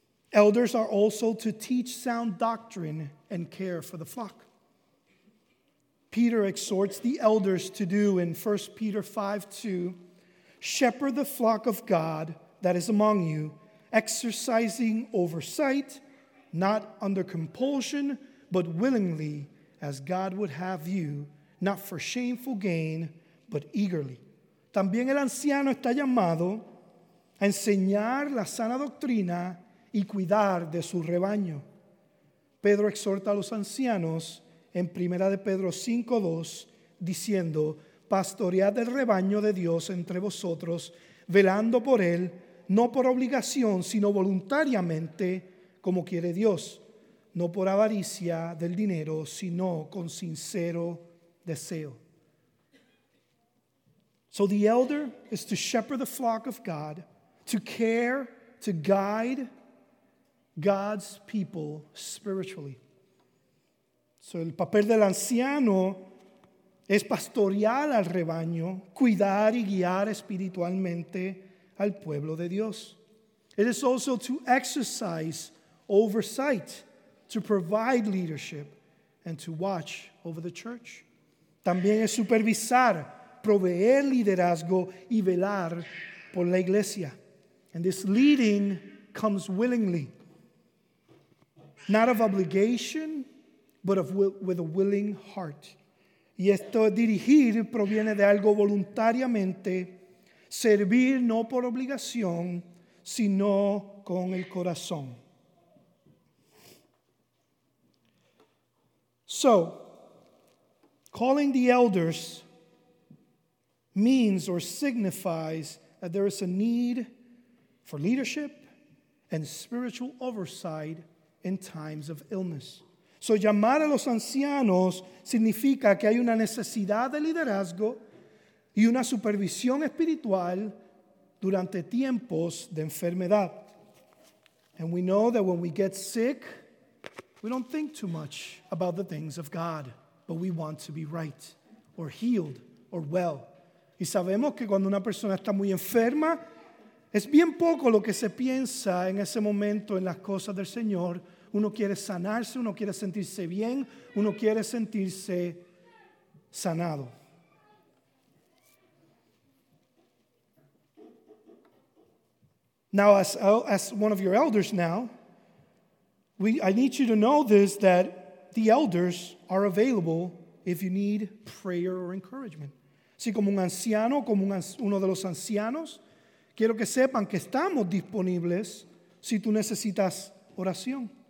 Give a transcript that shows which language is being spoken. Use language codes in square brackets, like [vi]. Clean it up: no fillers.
[en] Elders are also to teach sound doctrine and care for the flock. Peter exhorts the elders to do in 1 Peter 5:2, shepherd the flock of God that is among you, exercising oversight, not under compulsion, but willingly, as God would have you, not for shameful gain, but eagerly. [es] También el anciano está llamado a enseñar la sana doctrina y cuidar de su rebaño. Pedro exhorta a los ancianos en 1 Pedro 5, 2, diciendo, pastoread el rebaño de Dios entre vosotros, velando por él, no por obligación, sino voluntariamente, como quiere Dios, no por avaricia del dinero, sino con sincero deseo. [en] So the elder is to shepherd the flock of God, to care, to guide God's people spiritually. [es] So el papel del anciano es pastorear al rebaño, cuidar y guiar espiritualmente al pueblo de Dios. [en] It is also to exercise oversight, to provide leadership, and to watch over the church. [es] También es supervisar, proveer liderazgo y velar por la iglesia. [en] And this leading comes willingly, not of obligation, but of with a willing heart. [es] Y esto dirigir proviene de algo voluntariamente, servir no por obligación, sino con el corazón. [en] So, calling the elders means or signifies that there is a need for leadership and spiritual oversight in times of illness. [es] So, llamar a los ancianos significa que hay una necesidad de liderazgo y una supervisión espiritual durante tiempos de enfermedad. [en] And we know that when we get sick, we don't think too much about the things of God, but we want to be right or healed or well. [es] Y sabemos que cuando una persona está muy enferma, es bien poco lo que se piensa en ese momento en las cosas del Señor. Uno quiere sanarse, uno quiere sentirse bien, uno quiere sentirse sanado. Now, as one of your elders now, I need you to know this, that the elders are available if you need prayer or encouragement. Si como un anciano, como uno de los ancianos, quiero que sepan que estamos disponibles si tú necesitas oración.